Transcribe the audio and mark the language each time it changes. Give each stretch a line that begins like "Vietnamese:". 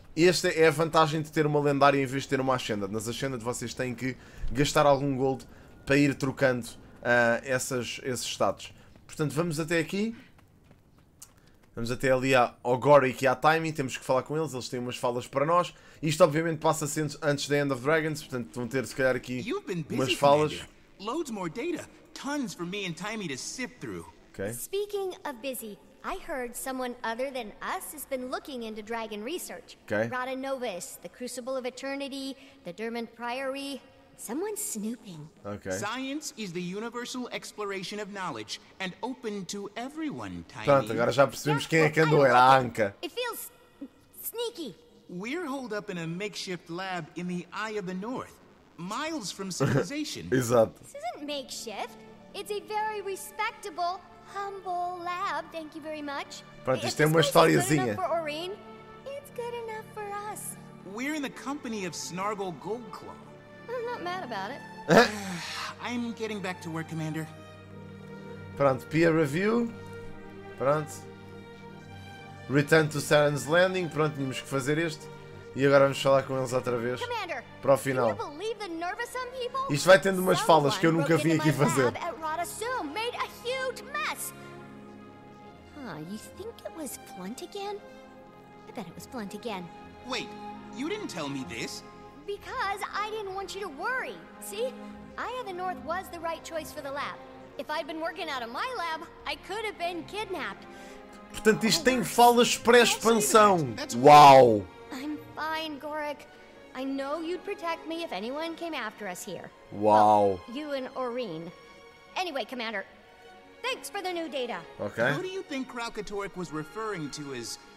Portuguese: Esta é a vantagem de ter uma lendária em vez de ter uma Ascended. Nas Ascended vocês têm que gastar algum gold para ir trocando esses status. Portanto, vamos até aqui. Vamos até ali ao Gory e à Timey. Temos que falar com eles. Eles têm umas falas para nós. Isto, obviamente, passa-se antes da End of Dragons. Portanto, vão ter, se calhar, aqui umas falas.
English: Loads more data. Tons for me and Timey to sift through. Okay. Speaking of busy, I heard someone other than us has been looking into dragon research. Okay. Rata Novus, the Crucible of Eternity, the Dermond Priory. Someone's snooping. Okay. Science is the universal exploration of knowledge and open to everyone, Tiny.
Portuguese: Pronto, agora já percebemos quem é que andou, era a Anka.
English: It feels sneaky. We're holed up in a makeshift lab in the Eye of the North, miles from civilization.
Portuguese: Exato.
English: This isn't makeshift. It's a very respectable, humble lab. Thank you very much.
Portuguese: Pronto, isto é uma historiazinha.
English: Good for Orin, it's good enough for us. We're in the company of Snargle Goldclaw. I'm not mad about it. I'm getting back to work, Commander.
Portuguese: Pronto, peer review. Pronto.
English: Return to Saren's Landing.
Portuguese: Pronto, tínhamos que fazer este. E agora vamos falar com eles outra vez.
English: Commander,
Portuguese: para o final.
English: Can you believe the nervous some people?
Portuguese: Isto vai tendo umas falas que eu nunca vim aqui fazer.
English: Made a huge mess. Huh, you think it was Flint again? I bet it was Flint again. Wait, you didn't tell me this. Because I didn't want you to worry. See? Eye of the North was the right choice for the lab. If I'd been working out of my lab, I could have been kidnapped.
Portuguese: Portanto, isto tem falas pré-expansão. Uau!
English: I'm fine, Gorik. I know you'd protect me if anyone came after us here. Wow. Well, you and Orin. Anyway, Commander, thanks for the new data. Okay. Who do you think Krakatorik was referring to as...